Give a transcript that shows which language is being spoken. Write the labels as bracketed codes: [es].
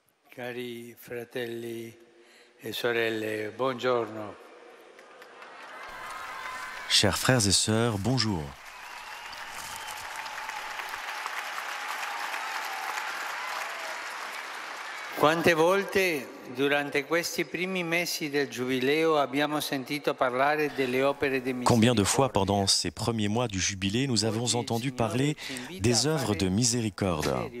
[it] Cari fratelli e sorelle, buongiorno. [fr] Chers frères et sœurs, bonjour. [it] Quante volte durante questi primi mesi del giubileo abbiamo sentito parlare delle opere di misericordia. [fr] Combien de fois pendant ces premiers mois du jubilé nous avons entendu parler des œuvres de miséricorde.